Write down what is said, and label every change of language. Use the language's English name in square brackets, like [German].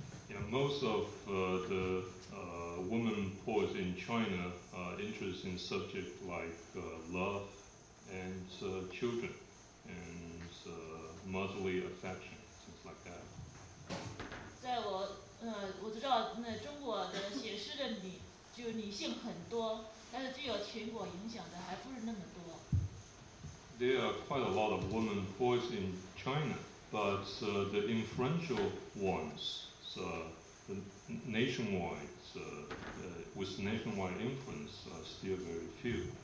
[English] Yeah, most of the women poets in China are interested in subjects like love and children and motherly affection, things like that. [Chinese] 在我知道那中国的写诗的女性很多 [English] There are quite a lot of women poets in China, but the influential ones, the nationwide, with nationwide influence, are still very few.